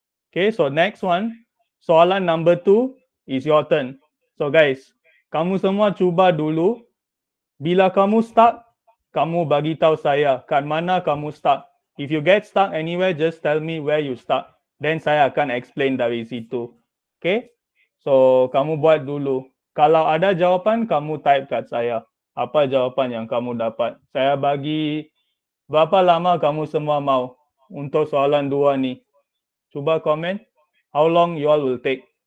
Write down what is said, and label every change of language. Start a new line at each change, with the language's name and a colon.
English: Okay, so next one, soalan number two is your turn.
Malay: So guys, kamu semua cuba dulu. Bila kamu stuck, kamu bagi tahu saya kat mana kamu stuck.
English: If you get stuck anywhere, just tell me where you stuck.
Malay: Then saya akan explain dari situ. Okay, so kamu buat dulu. Kalau ada jawapan, kamu type kat saya. Apa jawapan yang kamu dapat? Saya bagi berapa lama kamu semua mau untuk soalan dua ni. Cuba komen,
English: how long you all will take?